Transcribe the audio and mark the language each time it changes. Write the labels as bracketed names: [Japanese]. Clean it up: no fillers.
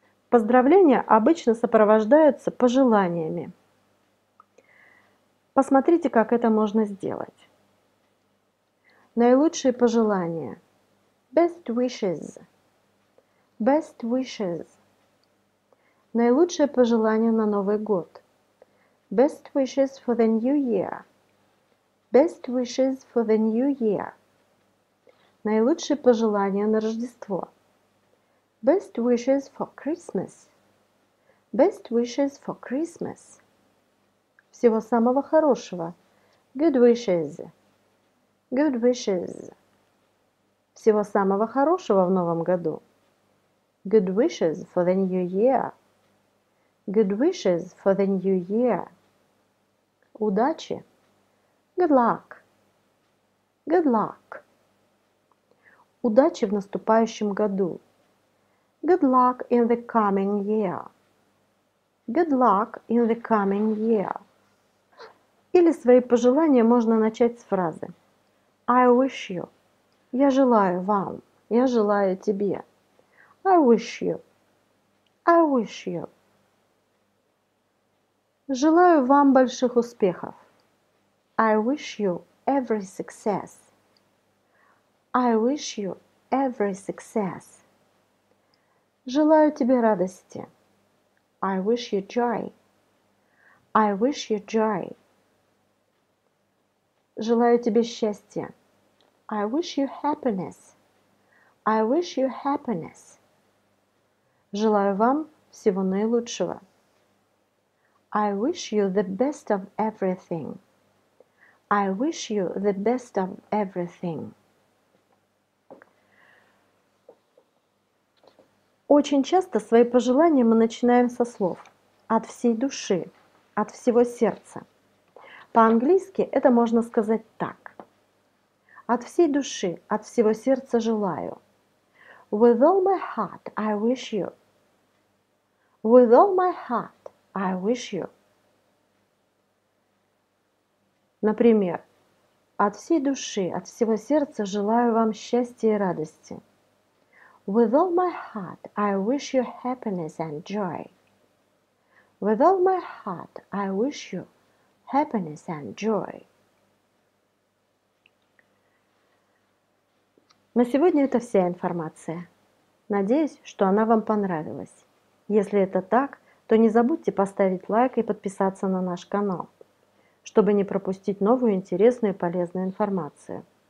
[Russian] Поздравления обычно сопровождаются пожеланиями. Посмотрите, как это можно сделать. Наилучшие пожелания. [English] Best wishes. Best wishes. [Russian] Наилучшее пожелание на Новый год. [English] Best wishes for the new year. Best wishes for the new year. [Russian] Наилучшие пожелания на Рождество. [English] Best wishes for Christmas. Best wishes for Christmas. [Russian] Всего самого хорошего. [English] Good wishes. Good wishes. [Russian] Всего самого хорошего в новом году. [English] Good wishes for the new year. Good wishes for the new year. Удачи. Good luck. Good luck. [Russian] Удачи в наступающем году. [English] Good luck in the coming year. Good luck in the coming year. [Russian] Или свои пожелания можно начать с фразы. [English] I wish you. [Russian] Я желаю вам. Я желаю тебе. [English] I wish you. I wish you. [Russian] Желаю вам больших успехов. [English] I wish you every success. I wish you every success. [Russian] Желаю тебе радости. [English] I wish you joy. I wish you joy. [Russian] Желаю тебе счастья. [English] I wish you happiness. I wish you happiness. [Russian] Желаю вам всего наилучшего. [English] I wish you the best of everything. I wish you the best of everything. [Russian] Очень часто свои пожелания мы начинаем со слов. От всей души, от всего сердца. По-английски это можно сказать так. От всей души, от всего сердца желаю. [English] With all my heart, I wish you. With all my heart, I wish you. [Russian] Например, от всей души, от всего сердца желаю вам счастья и радости. [English] With all my heart, I wish you happiness and joy. With all my heart, I wish you happiness and joy. [Russian] На сегодня это вся информация. Надеюсь, что она вам понравилась. Если это так, то не забудьте поставить лайк и подписаться на наш канал, чтобы не пропустить новую интересную и полезную информацию.